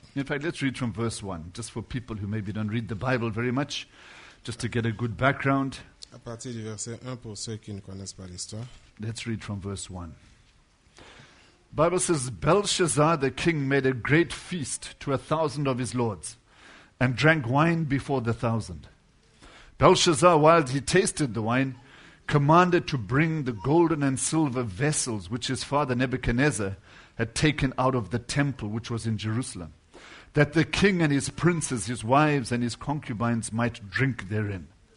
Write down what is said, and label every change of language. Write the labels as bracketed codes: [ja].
[en] In fact, let's read from verse 1, just for people who maybe don't read the Bible very much, just to get a good background. [fr] À partir du verset 1, pour ceux qui ne connaissent pas l'histoire. [en] Let's read from verse 1. Bible says, Belshazzar the king made a great feast to 1,000 of his lords, and drank wine before 1,000. Belshazzar, while he tasted the wine, commanded to bring the golden and silver vessels which his father Nebuchadnezzar had taken out of the temple which was in Jerusalem, that the king and his princes, his wives and his concubines might drink therein.